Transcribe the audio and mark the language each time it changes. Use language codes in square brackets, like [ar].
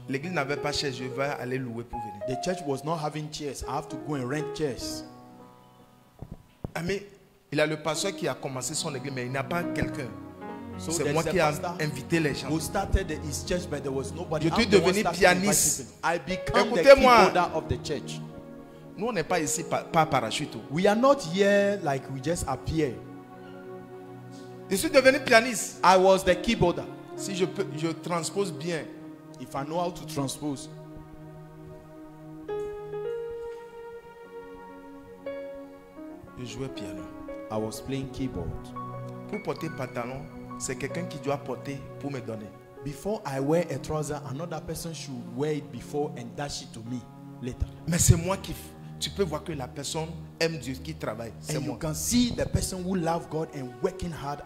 [fr] L'église n'avait pas chaise, je vais aller louer pour venir. [en] The church was not having chairs. I have to go and rent chairs. Amen. [fr] Il a le pasteur qui a commencé son église, mais il n'a pas quelqu'un. So c'est moi qui a invité les gens. [en] Who started his church, but there was nobody. [fr] Je suis devenu pianiste. [en] I became [fr] écoutez-moi. [en] The keyboarder of the church. [fr] Nous on n'est pas ici par parachute. [en] We are not here like we just appear. [fr] Je suis devenu pianiste. [en] I was the keyboarder. [fr] Si je peux, je transpose bien. [en] If I know how to transpose. [fr] Je jouais piano. [en] I was playing keyboard. [fr] Pour porter pantalon, c'est quelqu'un qui doit porter pour me donner. [en] Before I wear a trouser, another person should wear it before and dash it to me later. [fr] Mais c'est moi qui. Tu peux voir que la personne aime Dieu qui travaille. C'est [en] and [fr] moi. [en] You can see the person who love God and working hard.